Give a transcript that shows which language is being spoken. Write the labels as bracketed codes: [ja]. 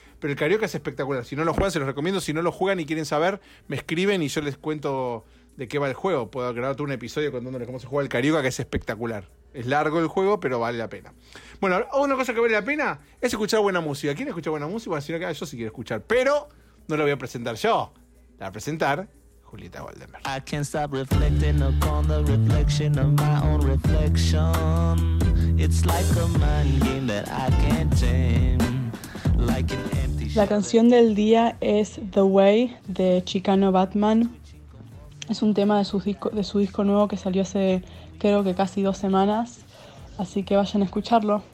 [es] Pero el Carioca es espectacular. Si no lo juegan, se los recomiendo. Si no lo juegan y quieren saber, me escriben y yo les cuento de qué va el juego. Puedo grabarte un episodio contándoles cómo se juega el Carioca, que es espectacular. Es largo el juego, pero vale la pena. Bueno, una cosa que vale la pena es escuchar buena música. ¿Quién escucha buena música? Bueno, si no, yo sí quiero escuchar, pero no la voy a presentar yo. La va a presentar Julieta Goldenberg. [en] I can't stop reflecting upon the reflection of my own reflection. It's like a mind game that I can't tame. Like an empty shell. [es] La canción del día es The Way de Chicano Batman. Es un tema de su disco nuevo que salió hace, creo que casi 2 semanas. Así que vayan a escucharlo.